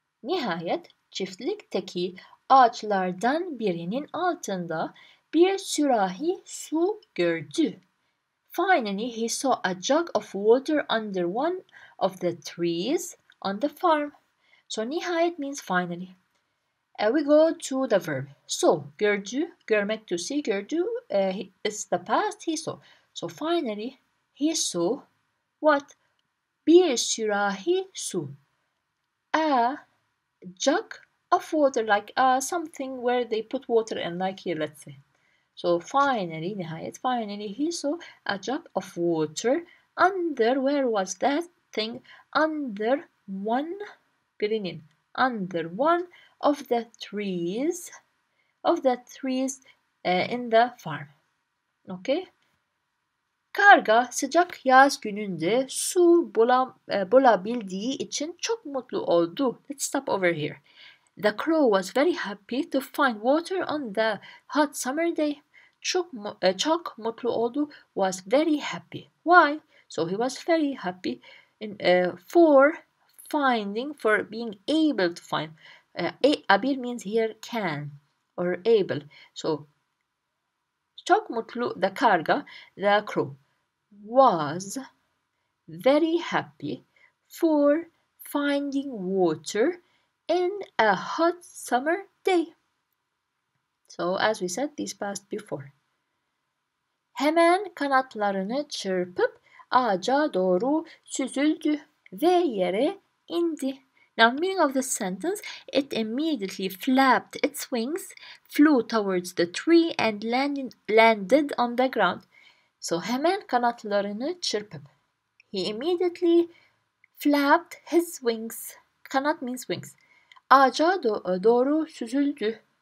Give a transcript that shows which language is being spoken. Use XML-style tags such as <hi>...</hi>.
<tr>Nihayet çiftlikteki ağaçlardan birinin altında bir sürahi su gördü.</tr> <en>Finally, he saw a jug of water under one of the trees on the farm. So nihayet means finally. And we go to the verb. So,</en> <tr>gördü, görmek</tr> <en>to see, gördü, it's the past, he saw. So, finally, he saw what?</en> <tr>Bir sürahi su.</tr> <en>A jug of water, like something where they put water in, like here, let's say. So, finally, nihayet, finally, he saw a jug of water under, where was that thing? Under one, birinin, under one of the trees, in the farm. Okay?</en> <tr>Karga sıcak yaz gününde su bulabildiği için çok mutlu oldu.</tr> <en>Let's stop over here. The crow was very happy to find water on the hot summer day.</en> <tr>Çok mutlu oldu,</tr> <en>was very happy. Why? So he was very happy for being able to find. Abil means here can or able. So,</en> <tr>çok mutlu,</tr> <en>the karga, the crow, was very happy for finding water in a hot summer day. So, as we said, this passed before.</en> <tr>Hemen kanatlarını çırpıp ağaca doğru süzüldü ve yere indi.</tr> <en>Now, meaning of this sentence, it immediately flapped its wings, flew towards the tree, and landed on the ground. So,</en> <tr>hemen kanatlarını çırpıp.</tr> <en>He immediately flapped his wings. Kanat means wings.</en> <tr>Ağaca doğru süzüldü.</tr>